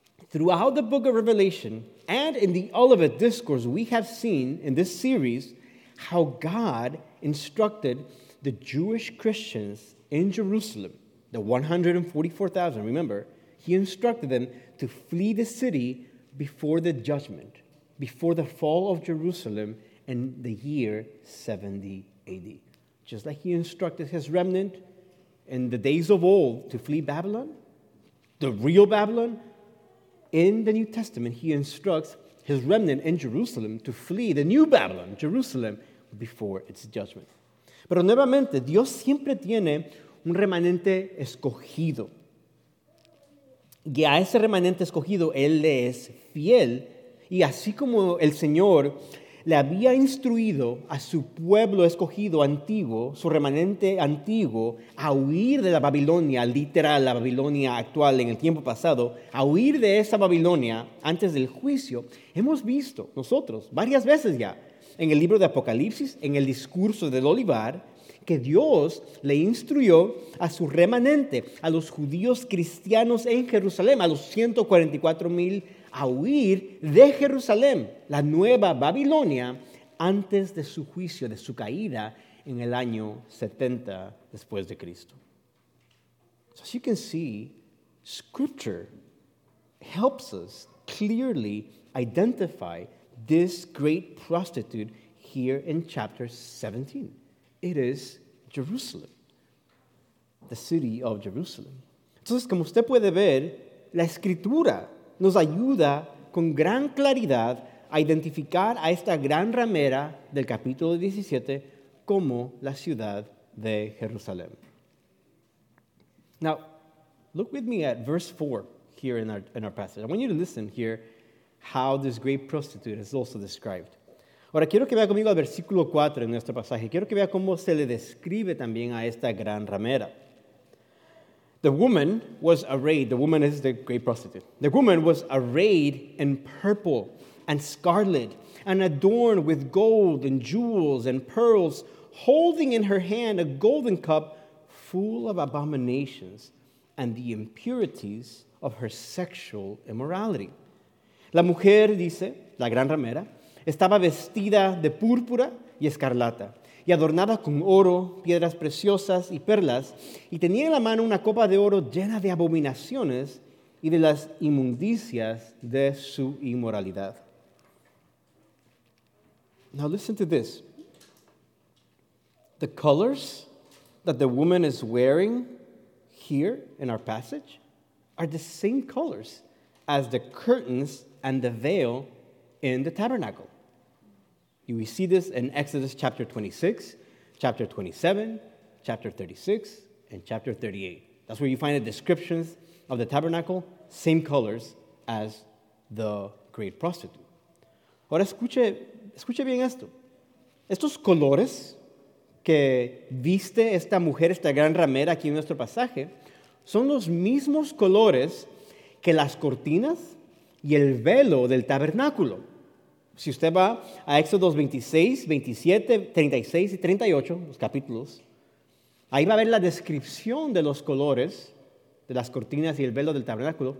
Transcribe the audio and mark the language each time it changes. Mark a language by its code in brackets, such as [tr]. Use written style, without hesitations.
[en] throughout the book of Revelation, and in the Olivet Discourse, we have seen in this series how God instructed the Jewish Christians in Jerusalem, the 144,000, remember, he instructed them to flee the city before the judgment, before the fall of Jerusalem in the year 70 AD. Just like he instructed his remnant in the days of old to flee Babylon, the real Babylon, in the New Testament, he instructs his remnant in Jerusalem to flee the new Babylon, Jerusalem, before its judgment. [es] Pero nuevamente, Dios siempre tiene un remanente escogido. Y a ese remanente escogido, él le es fiel. Y así como el Señor le había instruido a su pueblo escogido antiguo, su remanente antiguo, a huir de la Babilonia, literal, la Babilonia actual en el tiempo pasado, a huir de esa Babilonia antes del juicio. Hemos visto nosotros varias veces ya en el libro de Apocalipsis, en el discurso del Olivar, que Dios le instruyó a su remanente, a los judíos cristianos en Jerusalén, a los 144,000 a huir de Jerusalén, la nueva Babilonia, antes de su juicio, de su caída en el año 70 después de Cristo. [en] So as you can see, Scripture helps us clearly identify this great prostitute here in chapter 17. It is Jerusalem, the city of Jerusalem. [es] Entonces, como usted puede ver, la Escritura nos ayuda con gran claridad a identificar a esta gran ramera del capítulo 17 como la ciudad de Jerusalén. [en] Now, look with me at verse 4 here in our passage. I want you to listen here how this great prostitute is also described. [es] Ahora, quiero que vea conmigo al versículo 4 en nuestro pasaje. Quiero que vea cómo se le describe también a esta gran ramera. [en] The woman was arrayed. The woman is the great prostitute. The woman was arrayed in purple and scarlet and adorned with gold and jewels and pearls, holding in her hand a golden cup full of abominations and the impurities of her sexual immorality. [es] La mujer, dice, la gran ramera, estaba vestida de púrpura y escarlata, y adornada con oro, piedras preciosas y perlas, y tenía en la mano una copa de oro llena de abominaciones y de las inmundicias de su inmoralidad. [en] Now listen to this. The colors that the woman is wearing here in our passage are the same colors as the curtains and the veil in the tabernacle. We see this in Exodus chapter 26, chapter 27, chapter 36, and chapter 38. That's where you find the descriptions of the tabernacle, same colors as the great prostitute. [es] Ahora escuche bien esto. Estos colores que viste esta mujer, esta gran ramera aquí en nuestro pasaje, son los mismos colores que las cortinas y el velo del tabernáculo. Si usted va a Éxodo 26, 27, 36 y 38, los capítulos, ahí va a ver la descripción de los colores de las cortinas y el velo del tabernáculo.